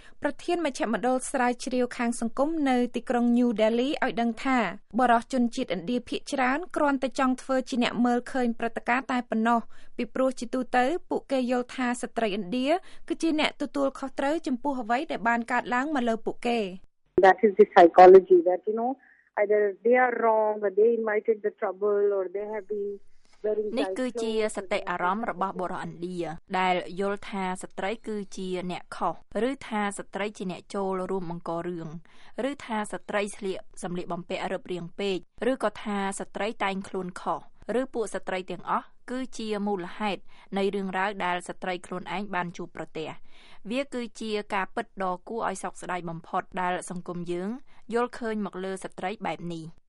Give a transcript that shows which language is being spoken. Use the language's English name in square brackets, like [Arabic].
[Khmer] ប្រធានមជ្ឈមណ្ឌលស្រាវជ្រាវខាងសង្គមនៅទីក្រុងញូដេលីឲ្យដឹងថាបរិសុទ្ធជនជាតិឥណ្ឌាភាគច្រើនគ្រាន់តែចង់ធ្វើជាអ្នកមើលឃើញព្រឹត្តិការណ៍តែប៉ុណ្ណោះពីព្រោះជាទូទៅពួកគេយល់ថាស្ត្រីឥណ្ឌាគឺជាអ្នកទទួលខុសត្រូវចំពោះអ្វីដែលបានកើតឡើងមកលើពួកគេ [English] That is the psychology that you know either they are wrong or they invited the trouble or they have beenn [Khmer] គឺជាសតិអារម្មណ៍របស់បុរសឥណ្ឌាដែលយល់ថាស្ត្រីគឺជាអ្នកខុសឬថាស្ត្រីជាអ្នកចូលរួមបង្ករឿងឬថាស្ត្រីស្លៀកសម្លៀកបំពាក់រឹបរាងពេកឬក៏ថាស្ត្រីតែងខ្លួនខុសឬពួកស្ត្រីទាំងអស់គឺជាមូលហេតុនៃរឿងរ៉ាវដែលស្ត្រីខ្លួនឯងបានជួបប្រទះវាគឺជាការពិតដ៏គួរឲ្យសោកស្ដាយបំផុតដែលសង្គមយើងយល់ឃើញមកលើស្ត្រីបែបនេះ